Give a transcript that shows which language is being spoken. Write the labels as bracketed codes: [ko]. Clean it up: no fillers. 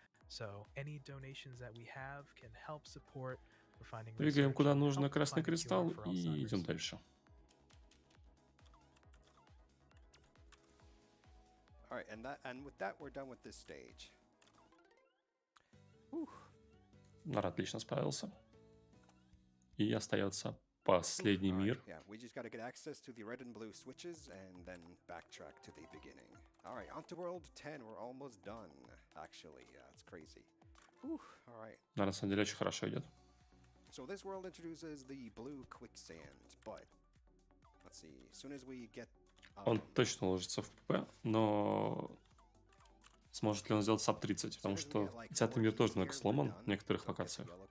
[en] So any donations that we have can help support for finding the cure for Alzheimer's. [ru] И идем дальше. [en] All right, and with that, we're done with this stage. [ru] Наро отлично справился. И остается последний мир. [en] Yeah, we just got to get access to the red and blue switches and then backtrack to the beginning. All right, on to world 10. We're almost done, actually. Yeah, it's crazy. All right. [ru] На самом деле, очень хорошо идет. [en] So this world introduces the blue quicksand, but let's see. As soon as we get [ru] Он точно ложится в ПП, но сможет ли он сделать саб 30, потому что 10-й мир тоже немного сломан в некоторых локациях.